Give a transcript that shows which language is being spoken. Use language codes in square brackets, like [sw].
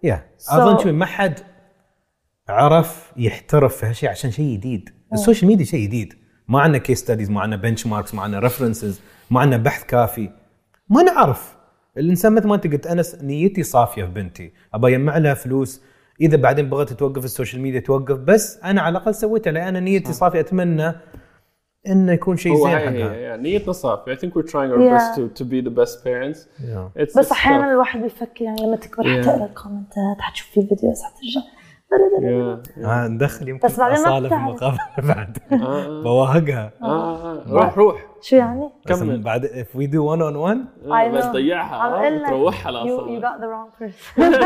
[ar] yeah أظن شوي ما حد عرف يحترف في هالشيء عشان شيء جديد السوشيال ميديا شيء جديد ما عندنا [en] case studies [ar] ما عندنا [en] benchmarks [ar] ما عندنا ريفرنسز ما عندنا بحث كافي ما نعرف الانسان مثل ما انت قلت انس نيتي صافيه في بنتي ابى اجمع لها فلوس اذا بعدين بغت توقف السوشيال ميديا توقف بس انا على الاقل سويتها لان نيتي صافيه اتمنى انه يكون شيء زين حقها نيتنا صافيه [en] I think we're trying our best to be the best parents [ar] بس احيانا الواحد بيفكر يعني لما تكبر حتقرا الكومنتات حتشوف في فيديوهات حترجع ندخل يمكن أصالة في المقابلة بعد بواهقها روح شو يعني كمل بعد [en] if we do one on one [ar] بس ضيعها تروح على [en] أصالة you got the wrong person